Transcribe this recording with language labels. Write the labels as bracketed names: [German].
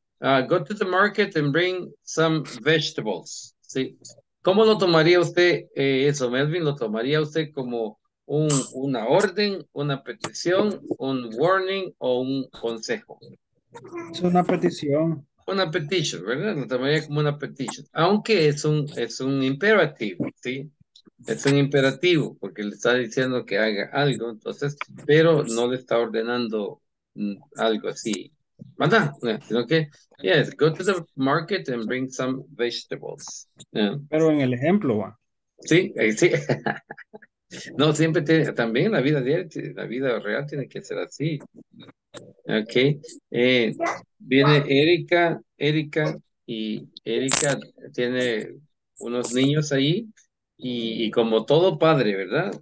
[English] Go to the market and bring some vegetables. [Spanish] Sí. ¿Cómo lo tomaría usted eso, Melvin? ¿Lo tomaría usted como una orden, una petición, un warning o un consejo? Es una petición. Una petición, ¿verdad? Lo tomaría como una petición. Aunque es un imperativo, ¿sí? Es un imperativo porque le está diciendo que haga algo, entonces, pero no le está ordenando algo así. ¿Manda? ¿Sino qué? [English] Yes, go to the market and bring some vegetables. [Spanish] Yeah. Pero en el ejemplo, ¿va? Sí, sí. No, siempre tiene, también la vida diaria, la vida real tiene que ser así. Ok. Viene Erika, y Erika tiene unos niños ahí, y como todo padre, ¿verdad?